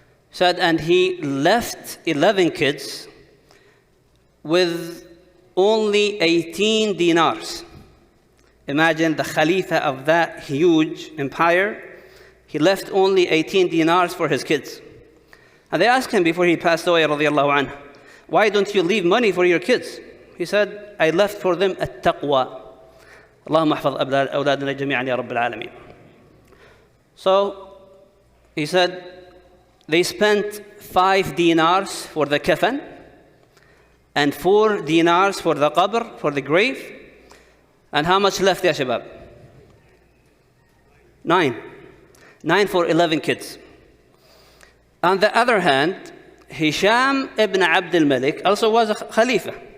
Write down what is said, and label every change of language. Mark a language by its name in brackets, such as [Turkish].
[English] Said, and he left 11 kids with only 18 dinars. Imagine the Khalifa of that huge empire. He left only 18 dinars for his kids. And they asked him before he passed away, [Arabic] رضي الله عنه, [English] why don't you leave money for your kids? He said, I left for them التقوى. [Arabic] اللهم احفظ أولادنا جميعا يا رب العالمين. [English] So he said, they spent 5 dinars for the kafan and 4 dinars for the qabr, for the grave. And how much left, ya shabab? 9. 9 for 11 kids. On the other hand, Hisham ibn Abd al-Malik also was a khalifa.